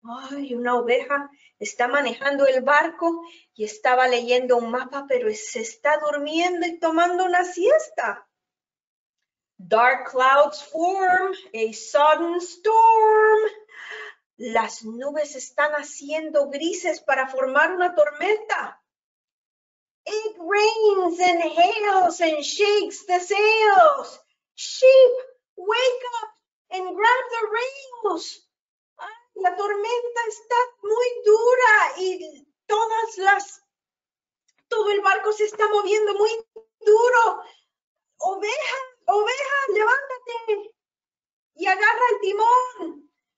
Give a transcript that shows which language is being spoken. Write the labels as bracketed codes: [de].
[es] Ay, una oveja está manejando el barco y estaba leyendo un mapa, pero se está durmiendo y tomando una siesta. [en] Dark clouds form a sudden storm. [es] Las nubes están haciendo grises para formar una tormenta. [en] It rains and hails and shakes the sails. Sheep, wake up and grab the rails. [es] Ay, la tormenta está muy dura y todo el barco se está moviendo muy duro. Oveja, oveja, levántate y agarra el timón.